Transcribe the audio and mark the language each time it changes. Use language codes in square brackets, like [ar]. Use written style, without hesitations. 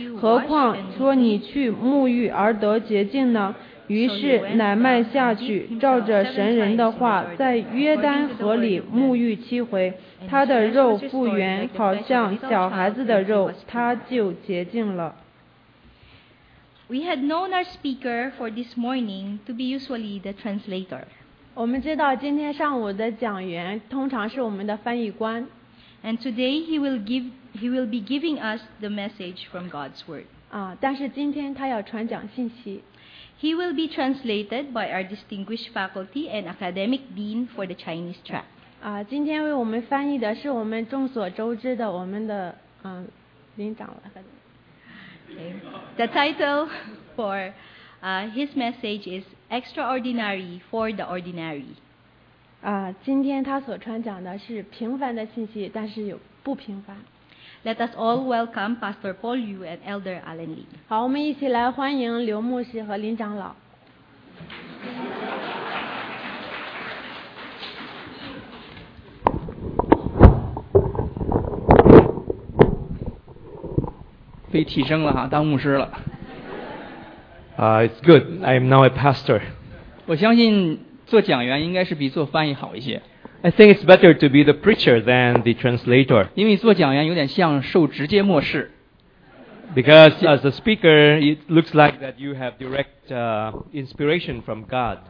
[zh] 何况说你去沐浴而得洁净呢？于是乃曼下去，照着神人的话，在约旦河里沐浴7回，他的肉复原，好像小孩子的肉，他就洁净了。 [en] We had known our speaker for this morning to be usually the translator. [zh] 我们知道今天上午的讲员通常是我们的翻译官。 [en] And today he will be giving us the message from God's word. [zh] 啊，但是今天他要传讲信息。 [en] He will be translated by our distinguished faculty and academic dean for the Chinese track. [zh] 啊，今天为我们翻译的是我们众所周知的我们的领长了。 [en] Okay. The title for his message is Extraordinary for the Ordinary. [zh] 今天他所传讲的是平凡的信息，但是有不平凡。 [en] Let us all welcome Pastor Paul Yu and Elder Alan Lee. [zh] 好，我们一起来欢迎刘牧师和林长老。被提升了哈，当牧师了。 [en] It's good. I'm now a pastor. [zh] 我相信做讲员应该是比做翻译好一些。 [en] I think it's better to be the preacher than the translator. [zh] 因为做讲员有点像受直接漠视。 [en] Because as a speaker, it looks like that you have direct inspiration from God.